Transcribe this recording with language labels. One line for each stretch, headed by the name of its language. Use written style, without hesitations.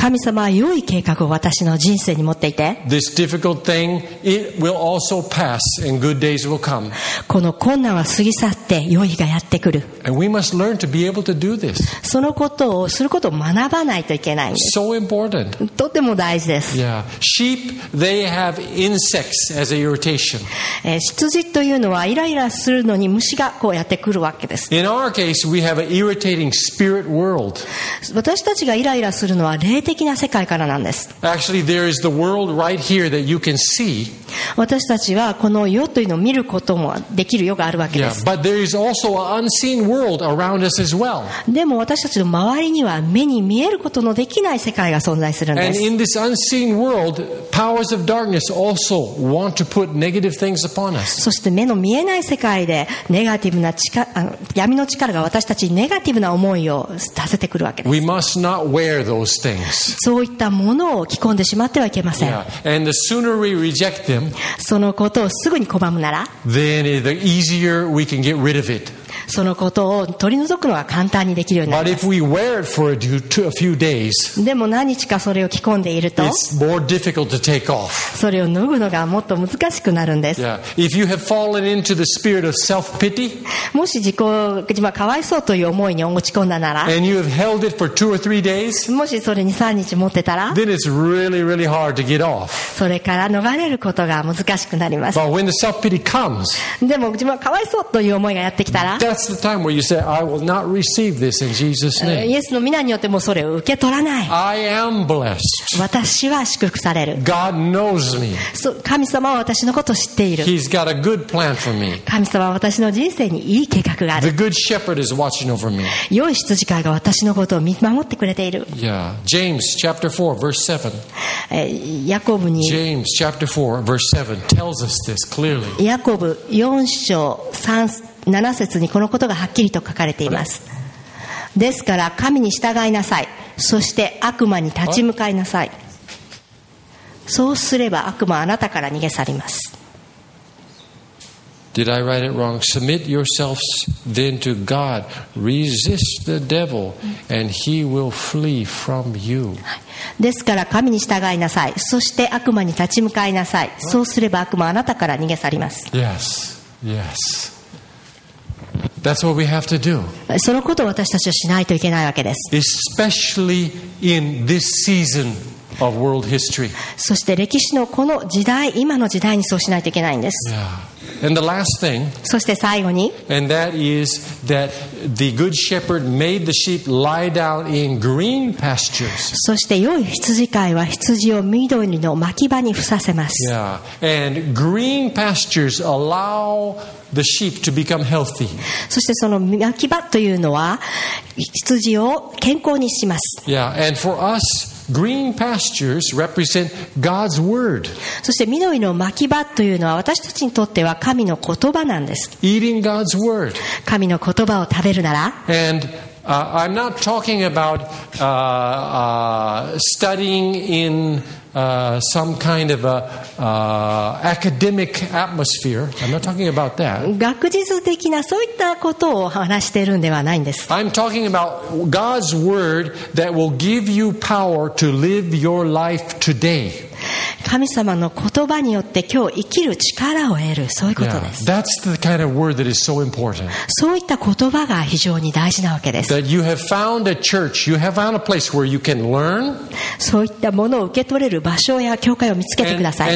Japanese: 神様は良い計画を私の人生に持っていて。
English: This difficult thing, it will also pass and good days will come.
Japanese: この困難は過ぎ去って良い日がやってくる。
English: And we must learn to be able to do this.
Japanese: そのことをすることを学ばないといけない。
English: So important.
Japanese: とても大事です。
English: Yeah. Sheep, they have insects as a irritation.
Japanese: 羊というのはイライラするのに虫がこうやってくるわけです。
English: In our case, we have an irritating spirit world.
Japanese: 私たちがイライラするのは霊的な世界からなんです。
English: Actually, there is the world right here that you can see.
Japanese: 私たちはこの世というのを見ることもできる世があるわけです。
English: Yeah. But there is also an unseen. World around us as well.
Japanese: でも私たちの周りには目に見えることのできない世界が存在するんです。
English: And in this unseen world, powers of darkness also want to put negative things upon us.
Japanese: そして目の見えない世界でネガティブな闇の力が私たちにネガティブな思いをさせてくるわけです。
English: We must not wear those things.
Japanese: そういったものを着込んでしまってはいけません。
English: Yeah. And the sooner we reject them,
Japanese: そのことをすぐに拒むなら、
English: then the easier we can get rid of it.
Japanese: そのことを取り除くのが簡単にできるようになります。でも何日かそれを着込んでいると、
English: It's more difficult to take off.
Japanese: それを脱ぐのがもっと難しくなるんです。
English: Yeah. If you have fallen into the spirit of self-pity,
Japanese: もし自己自慢かわいそうという思いに落ち込んだなら、
English: and you have held it for two or three days,
Japanese: もしそれに3日持ってたら、
English: then it's really, really hard to get off.
Japanese: それから逃れることが難しくなります。
English: But when the self-pity comes,
Japanese: でも自慢かわいそうという思いがやってきたら、
English: That's the time where you say, "I will not receive this in Jesus' name."
Japanese: イエスの御名によってもそれを受け取らない。
English: I am blessed.
Japanese: 私は祝福される。
English: God knows me.
Japanese: 神様は私のことを知っている。
English: He's got a good plan for me.
Japanese: 神様は私の人生にいい計画がある。
English: The good shepherd is watching over me.
Japanese: 良い羊飼いが私のことを見守ってくれている。
English: Yeah. James chapter 4 verse 7.
Japanese: ヤコブに。
English: James chapter 4 verse 7 tells us this clearly.
Japanese: ヤコブ4章3節7節にこのことがはっきりと書かれています。ですから神に従いなさい、そして悪魔に立ち向かいなさい。そうすれば悪魔はあなたから逃げ去ります。
English: Did I write it wrong? Submit yourselves then to God. Resist the devil and he will flee from you.
Japanese: ですから神に従いなさい、そして悪魔に立ち向かいなさい。そうすれば悪魔はあなたから逃げ去ります。
English: Yes, yes. That's what we have to do.
Japanese: そのことを私たちはしないといけないわけです。
English: Especially in this season of world history.
Japanese: そして歴史のこの時代、今の時代にそうしないといけないんです。
English: Yeah. And the last thing,
Japanese: そして最後に、
English: and that is that the good shepherd made the sheep lie down in green pastures.
Japanese: そして良い羊飼いは羊を緑の牧場に伏させます。
English: Yeah. And green pastures allow the sheep to become healthy.
Japanese: そしてその牧場というのは羊を健康にします。
English: Yeah. And for us,Green pastures represent God's word.
Japanese: そして緑の牧場というのは私たちにとっては神の言葉なんです。
English: Eating God's word.
Japanese: 神の言葉を食べるなら。
English: And I'm not talking about studying in some kind of a academic atmosphere. I'm not talking about that.
Japanese: 学術的なそういったことを話しているんではないんです。
English: I'm talking about God's word that will give you power to live your life today.
Japanese: 神様の言葉によって今日生きる力を得る、そういうことです。
English: Yeah, that's the kind of word that is so important.
Japanese: そういった言葉が非常に大事なわけです。
English: That you have found a church, you have found a place where you can learn.
Japanese: そういったものを受け取れる場所や教会を見つけてください。